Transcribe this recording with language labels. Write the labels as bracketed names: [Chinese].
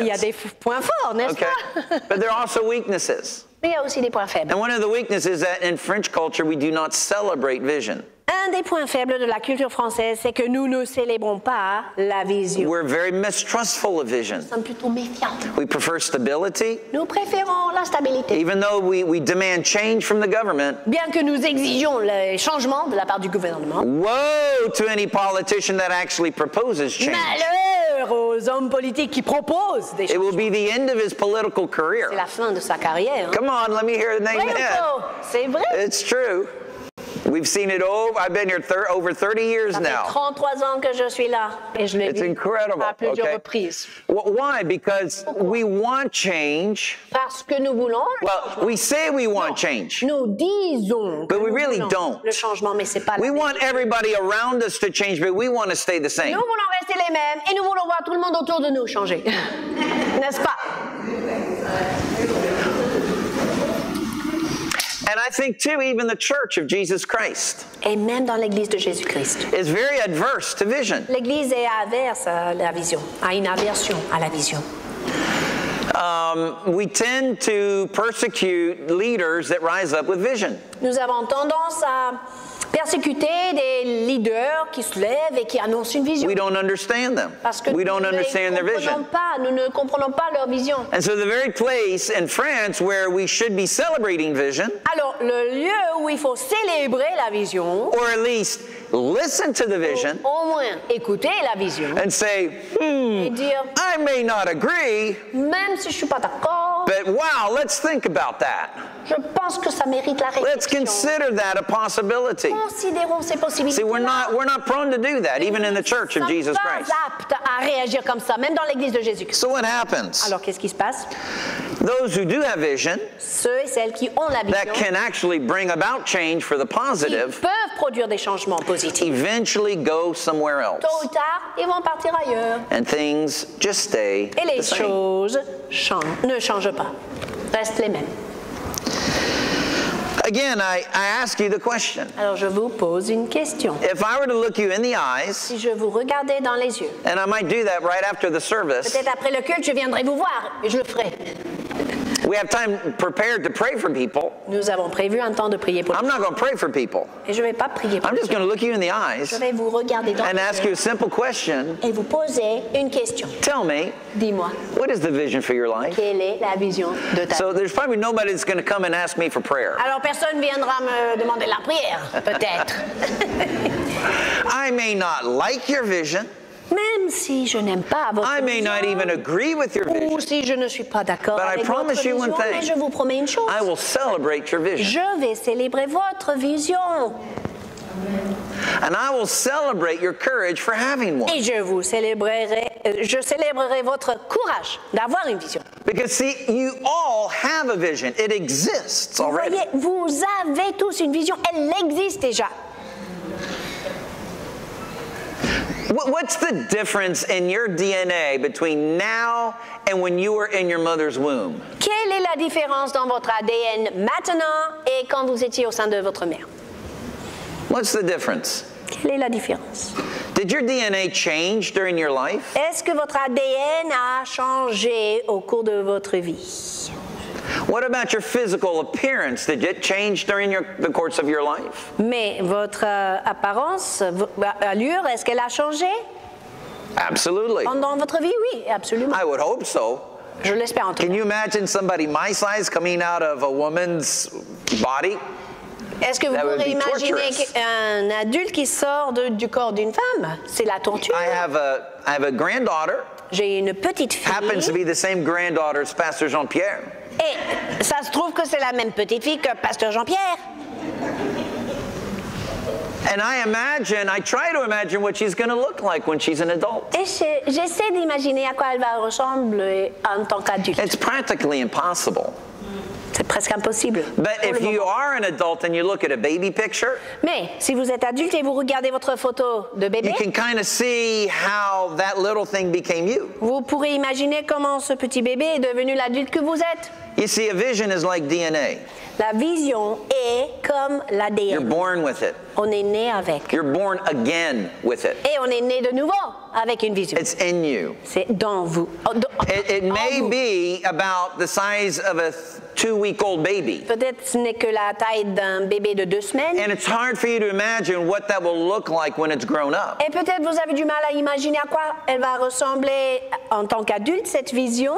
[French] Il y a des points forts, n'est-ce [English] okay. [French] pas? [English] But there are also weaknesses. [French] Mais il y a aussi des points faibles. [English] And one of the weaknesses is that in French culture, we do not celebrate vision. [French] Un des points faibles de la culture française, c'est que nous ne célébrons pas la vision. [English] We're very mistrustful of vision. [French] Nous sommes plutôt méfiants. [English] We prefer stability. [French] Nous préférons la stabilité. [English] Even though we demand change from the government. [French] Bien que nous exigeons les changements de la part du gouvernement. [English] Woe to any politician that actually proposes change. [French] Malheur aux hommes politiques qui proposent des choses. [English] It will be the end of his political career. [French] C'est la fin de sa carrière. Hein? [English] Come on, let me hear the name. [French] Oui, ou c'est vrai. [English] It's true. We've seen it over. I've been here over 30 years [French] ça [English] now. [French] Ça fait 33 ans que je suis là et je l'ai [English] it's [French] vu [English] incredible. [French] À plusieurs [English] okay. [French] reprises. [English] Well, why? Because [French] pourquoi? [English] We want change. [French] Parce que nous voulons. [English] Well, we say we want change. [French] Nous disons. [English] But we really don't. [French] Le changement, mais c'est pas. [English] We want même. Everybody around us to change, but we want to stay the same. [French] Nous voulons rester les mêmes et nous voulons voir tout le monde autour de nous changer, n'est-ce pas? [English] And I think too, even the Church of Jesus Christ, [French] et même dans l'Église de Jésus-Christ, [English] is very adverse to vision. [French] L'Église est averse à la vision, a une aversion à la vision. [English] We tend to persecute leaders that rise up with vision. [French] Nous avons tendance à persécuter des leaders qui se lèvent et qui annoncent une vision. [English] We don't understand them. [French] Parce que [English] we don't understand their vision. [French] Pas, nous ne comprenons pas leur vision. [English] And so the very place in France where we should be celebrating vision, [French] alors le lieu où il faut célébrer la vision, [English] or at least listen to the vision, [French] au moins écouter la vision, [English] and say, [French] et dire, [English] I may not agree, [French] même si je suis pas d'accord, [English] but that, wow, let's think about that. [French] Je pense que ça mérite la réflexion. [English] Let's consider that a possibility. [French] Considérons ces possibilités. [English] See, we're not prone to do that, even in the Church of Jesus Christ. [French] Nous ne sommes pas aptes à réagir comme ça, même dans l'Église de Jésus. [English] So what happens? [French] Alors, qu'est-ce qui se passe? [English] Those who do have vision, [French] ceux et celles qui ont la vision, [English] that can actually bring about change for the positive, [French] ils peuvent produire des changements positifs, [English] eventually go somewhere else. [French] Tôt ou tard, ils vont partir ailleurs. [English] And things just stay [French] et les [English] the [French] choses [English] same. [French] Ne changent pas, restent les mêmes. [English] Again, I ask you the question. [French] Alors, je vous pose une question. [English] If I were to look you in the eyes, [French] si je vous regardais dans les yeux, [English] and I might do that right after the service, [French] peut-être après le culte, je viendrai vous voir, et je le ferai. [English] We have time prepared to pray for people. [French] Nous avons prévu un temps de prier pour [English] I'm not going to pray for people. [French] Et je vais pas prier pour [English] I'm just going to look you in the eyes [French] je vais vous regarder dans [English] and ask you a simple question. [French] Et vous poser une question. [English] Tell me, [French] dis-moi, [English] what is the vision for your life? [French] Quelle est la vision de ta [English] so there's probably nobody that's going to come and ask me for prayer. [French] Alors personne viendra me demander la prière, peut-être. [English] I may not like your vision. [French] Même si je n'aime pas votre [English] I may [French] vision, [English] not even agree with your vision. [French] Ou si je ne suis pas d'accord [English] but [French] avec [English] I promise [French] votre [English] you one thing. [French] Mais je vous promets une chose. [English] I will celebrate your vision. [French] Je vais célébrer votre vision. [English] And I will celebrate your courage for having one. [French] Et je célébrerai votre courage d'avoir une vision. [English] Because see, you all have a vision. It exists already. [French] Vous voyez, vous avez tous une vision. Elle existe déjà. [English] What's the difference in your DNA between now and when you were in your mother's womb? [French] Quelle est la différence dans votre ADN maintenant et quand vous étiez au sein de votre mère? [English] What's the difference? [French] Quelle est la différence? [English] Did your DNA change during your life? [French] Est-ce que votre ADN a changé au cours de votre vie? [English] What about your physical appearance? Did it change during the course of your life? [French] Mais votre apparence, allure, est-ce qu'elle a changé? [English] Absolutely. [French] Pendant votre vie, oui, absolument. [English] I would hope so. [French] Je l'espère en tout cas. [English] Can you imagine somebody my size coming out of a woman's body? [French] Est-ce que vous pourriez imaginer un adulte qui sort du corps d'une femme? C'est la torture. [English] I have a granddaughter. [French] J'ai une petite fille. [English] Happens to be the same granddaughter as Pastor Jean-Pierre. [French] Et ça se trouve que c'est la même petite fille que Pasteur Jean-Pierre. [English] And I try to imagine what she's going to look like when she's an adult. [French] Et j'essaie d'imaginer à quoi elle va ressembler en tant qu'adulte. [English] It's practically impossible. [French] C'est presque impossible. [English] But if you are an adult and you look at a baby picture, [French] mais si vous êtes adulte et vous regardez votre photo de bébé, [English] you can kind of see how that little thing became you. [French] Vous pourrez imaginer comment ce petit bébé est devenu l'adulte que vous êtes. [English] You see, a vision is like DNA. [French] La vision est comme l'ADN. [English] You're born with it. [French] On est né avec. [English] You're born again with it. [French] Et on est né de nouveau avec une vision. [English] It's in you. [French] C'est dans vous. [English] It may [French] vous. [English] Be about the size of a 2-week-old baby. [French] Peut-être ce n'est que la taille d'un bébé de 2 semaines. [English] And it's hard for you to imagine what that will look like when it's grown up. [French] Et peut-être vous avez du mal à imaginer à quoi elle va ressembler en tant qu'adulte, cette vision.